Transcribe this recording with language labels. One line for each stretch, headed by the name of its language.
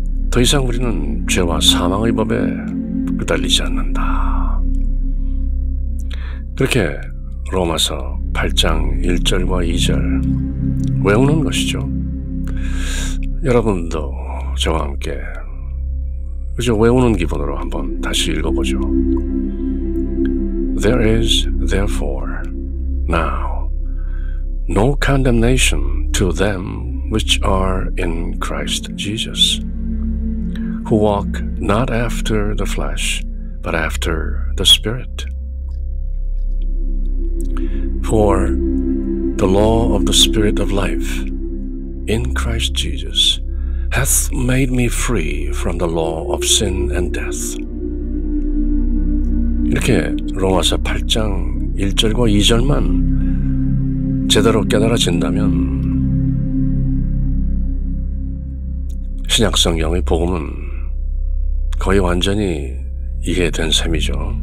Korean: 더 이상 우리는 죄와 사망의 법에 끄달리지 않는다. 그렇게 로마서 8장 1절과 2절 외우는 것이죠. 여러분도 저와 함께 그저 외우는 기분으로 한번 다시 읽어보죠.
English: There is therefore now no condemnation to them which are in Christ Jesus, who walk not after the flesh, but after the Spirit. For the law of the Spirit of life in Christ Jesus hath made me free from the law of sin and death.
Korean: 이렇게 로마서 8장 1절과 2절만 제대로 깨달아진다면 신약성경의 복음은 거의 완전히 이해된 셈이죠.